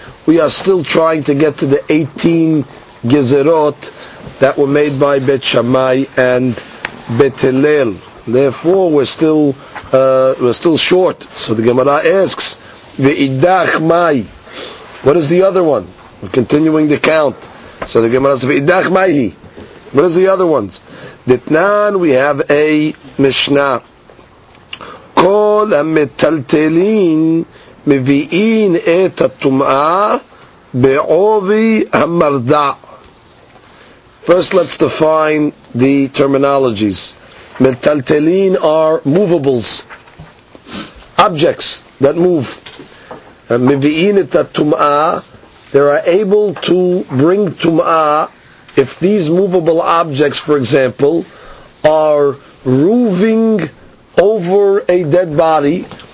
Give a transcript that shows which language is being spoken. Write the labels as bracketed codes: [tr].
[en] We are still trying to get to the 18 Gezerot that were made by Bet Shammai and Bet Hillel. Therefore, we're still short. So the Gemara asks, [he] Ve'idach Mai, [en] what is the other one? We're continuing the count. So the Gemara says, [he] Ve'idach Mai, [en] what is the other ones? Ditnan, we have a Mishnah. [he] כל המטלטלין מביאים את הטומאה בעובי המרדע. [en] First, let's define the terminologies. Metaltelin are movables, objects that move. [he] מביאים את הטומאה, [en] they are able to bring טומאה if these movable objects, for example, are roving over a dead body.